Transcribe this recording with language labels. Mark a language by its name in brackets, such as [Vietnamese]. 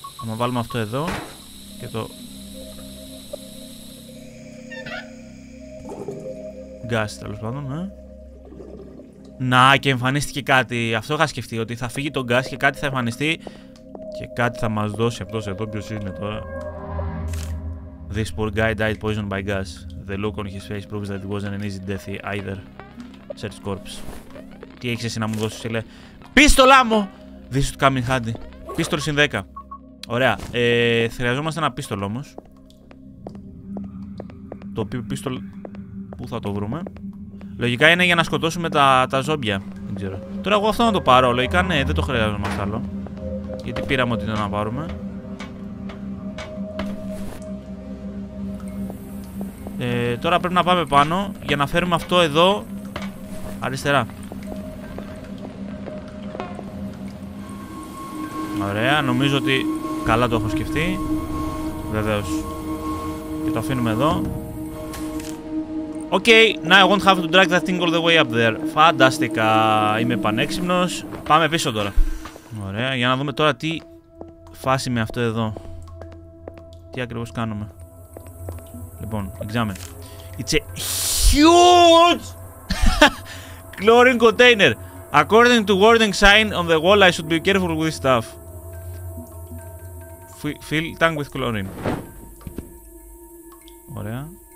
[Greek] Θα βάλουμε αυτό εδώ και το... Γκάς, τέλος πάντων, ναι. Να, και εμφανίστηκε κάτι. Αυτό είχα σκεφτεί, ότι θα φύγει το γκάς και κάτι θα εμφανιστεί και κάτι θα μας δώσει αυτός εδώ. Ποιος είναι τώρα? [English] This poor guy died poisoned by gas. The look on his face proves that it wasn't an easy death either. Search corpse. [Greek] Τι έχεις εσύ να μου δώσεις, λέει? Πίστολά μου! [English] This would come in handy. [Greek] Πίστολ συν 10. Ωραία. Χρειαζόμαστε ένα πίστολ όμως. Το οποίο πίστολ... Πού θα το βρούμε? Λογικά είναι για να σκοτώσουμε τα ζόμπια. Δεν ξέρω. Τώρα εγώ αυτό να το πάρω. Λογικά ναι, δεν το χρειαζόμαστε άλλο. Γιατί πήραμε ό,τι ήταν να πάρουμε. Τώρα πρέπει να πάμε πάνω για να φέρουμε αυτό εδώ αριστερά. Ωραία, νομίζω ότι καλά το έχω σκεφτεί. Βεβαίως. Και το αφήνουμε εδώ. [English] Okay, now I won't have to drag that thing all the way up there. [Greek] Φανταστικά, είμαι πανέξυπνος. Πάμε πίσω τώρα. Ωραία, για να δούμε τώρα τι φάση με αυτό εδώ. Τι ακριβώς κάνουμε. Λοιπόν, [English] examine. It's a huge chlorine container. According to warning sign on the wall, I should be careful with this stuff. Fill tank with chlorine. [Greek] Ωραία.